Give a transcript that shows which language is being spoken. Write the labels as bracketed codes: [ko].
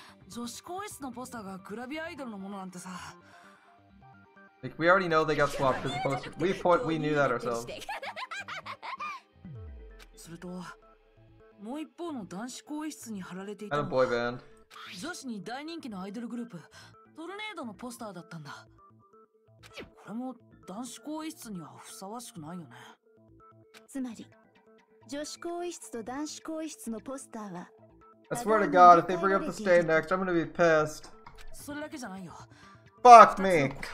[ja] 女子更衣室のポスターがグラビアアイドルのものなんてさ。 [en] Like, we already know they got swapped for the poster. We knew that ourselves. [ja] それと、もう一方の男子更衣室に貼られていたのは、 [en] boy band. [ja] 女子に大人気のアイドルグループ、トルネードのポスターだったんだ。これも男子更衣室にはふさわしくないよね。つまり、女子更衣室と男子更衣室のポスターは、 [en] I swear to God, if they bring up the stain next, I'm gonna be pissed. Fuck me.